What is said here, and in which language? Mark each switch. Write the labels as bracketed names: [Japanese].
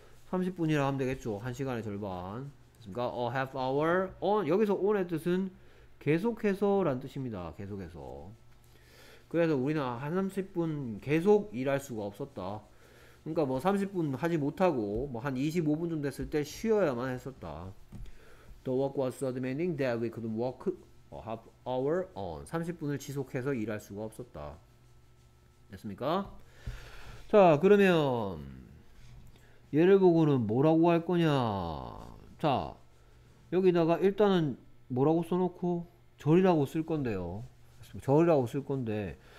[Korean] 30분이라 하면 되겠죠? 한 시간의 절반. 그니까, [English] half hour. on. [Korean] 여기서 on의 뜻은 계속해서란 뜻입니다. 계속해서. 그래서 우리는 한 30분 계속 일할 수가 없었다. 그니까 뭐 30분 하지 못하고, 뭐한 25분쯤 됐을 때 쉬어야만 했었다. [English] The work was so demanding that we couldn't work. half hour on. [Korean] 30분을 지속해서 일할 수가 없었다. 됐습니까? 자, 그러면, 얘를 보고는 뭐라고 할 거냐. 자, 여기다가 일단은 뭐라고 써놓고? 절이라고 쓸 건데요. 절이라고 쓸 건데.